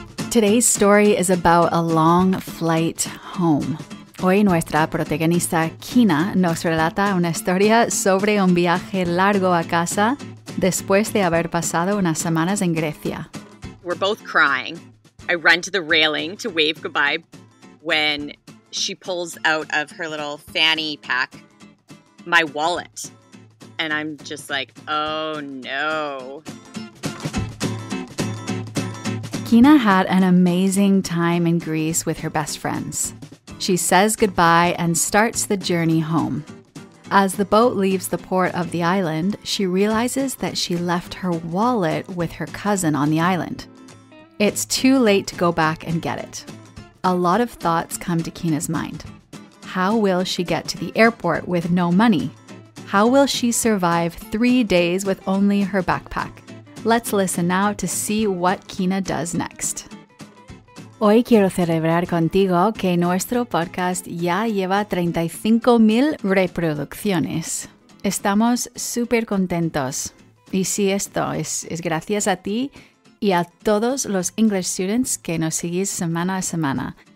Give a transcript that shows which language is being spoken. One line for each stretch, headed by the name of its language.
English: Today's story is about a long flight home.
Spanish: Hoy nuestra protagonista Keena nos relata una historia sobre un viaje largo a casa después de haber pasado unas semanas en Grecia.
English: We're both crying. I run to the railing to wave goodbye when she pulls out of her little fanny pack my wallet. And I'm just like, oh no. Keena had an amazing time in Greece with her best friends. She says goodbye and starts the journey home. As the boat leaves the port of the island, she realizes that she left her wallet with her cousin on the island. It's too late to go back and get it. A lot of thoughts come to Keena's mind. How will she get to the airport with no money? How will she survive 3 days with only her backpack? Let's listen now to see what Keena does next.
Spanish: Hoy quiero celebrar contigo que nuestro podcast ya lleva 35,000 reproducciones. Estamos súper contentos. Y si esto es gracias a ti, y a todos los English students que nos seguís semana a semana.